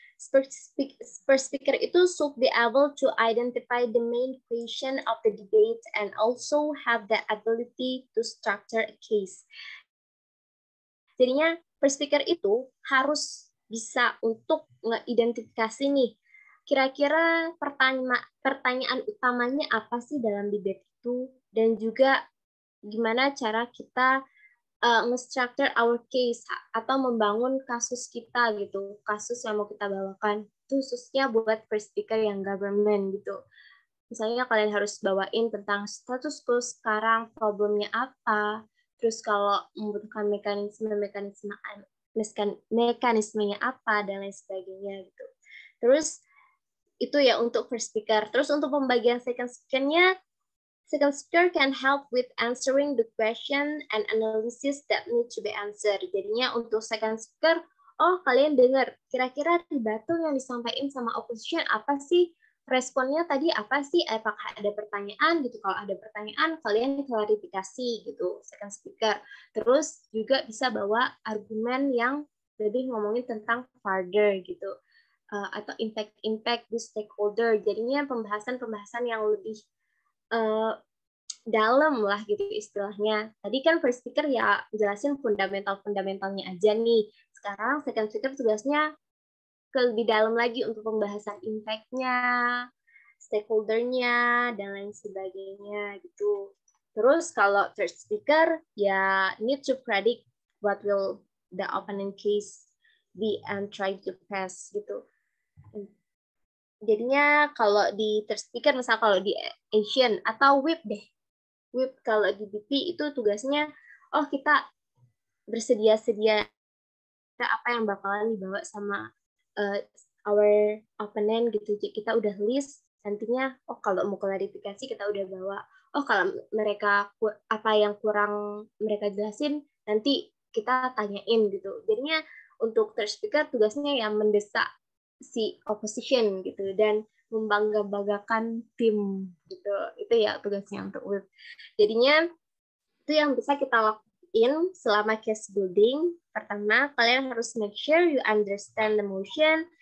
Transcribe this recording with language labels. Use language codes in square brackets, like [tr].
[en] first speaker [id] itu [en] should be able to identify the main question of the debate and also have the ability to structure a case. [id] Jadinya first speaker itu harus bisa untuk ngeidentifikasi nih kira-kira pertanyaan utamanya apa sih dalam debate itu, dan juga gimana cara kita nge-structure [en] our case [id] atau membangun kasus kita gitu, kasus yang mau kita bawakan, khususnya buat first speaker yang government gitu. Misalnya kalian harus bawain tentang status quo sekarang, problemnya apa, terus kalau membutuhkan mekanismenya apa, dan lain sebagainya gitu. Terus itu ya untuk first speaker. Terus untuk pembagian second speaker-nya, [en] second speaker can help with answering the question and analysis that need to be answered. [id] Jadinya untuk second speaker, oh kalian dengar, kira-kira rebuttal yang disampaikan sama opposition apa sih? Responnya tadi apa sih? Apakah ada pertanyaan gitu? Kalau ada pertanyaan, kalian klarifikasi gitu, second speaker. Terus juga bisa bawa argumen yang lebih ngomongin tentang further gitu. Atau impact the stakeholder. Jadinya pembahasan-pembahasan yang lebih dalam lah gitu istilahnya. Tadi kan first speaker ya jelasin fundamental-fundamentalnya aja nih. Sekarang second speaker tugasnya ke lebih dalam lagi untuk pembahasan impact-nya, stakeholder-nya, dan lain sebagainya gitu. Terus kalau third speaker ya [en] need to predict what will the opponent case be and try to pass [id] gitu. Jadinya kalau di third speaker, misal kalau di Asian atau WIP deh, WIP kalau di BP itu tugasnya, oh kita bersedia-sedia apa yang bakalan dibawa sama [en] our opponent [id] gitu. Jadi kita udah list nantinya, oh kalau mau klarifikasi kita udah bawa, oh kalau mereka apa yang kurang mereka jelasin nanti kita tanyain gitu. Jadinya untuk third speaker tugasnya ya mendesak si opposition gitu dan membangga-banggakan tim gitu. Itu ya tugasnya untuk WIP. Jadinya itu yang bisa kita lakuin selama case building. Pertama, kalian harus [en] make sure you understand the motion.